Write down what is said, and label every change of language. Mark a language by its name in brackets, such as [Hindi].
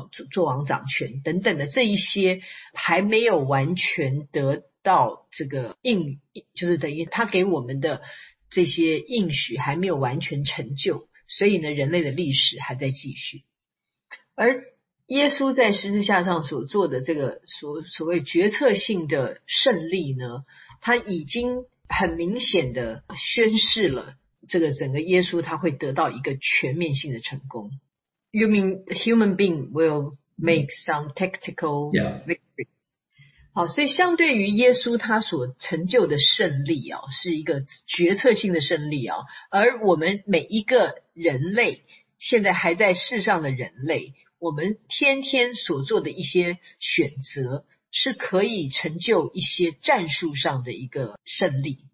[Chinese] 作王掌权等等的这一些还没有完全得到这个应，就是等于他给我们的这些应许还没有完全成就，所以呢，人类的历史还在继续。而耶稣在十字架上所做的这个所谓决策性的胜利呢，他已经很明显的宣示了这个整个耶稣他会得到一个全面性的成功。 [English] You mean human being will make some tactical victory. Yeah. [Chinese] 好，所以相对于耶稣他所成就的胜利是一个决策性的胜利而我们每一个人类，现在还在世上的人类，我们天天所做的一些选择，是可以成就一些战术上的一个胜利。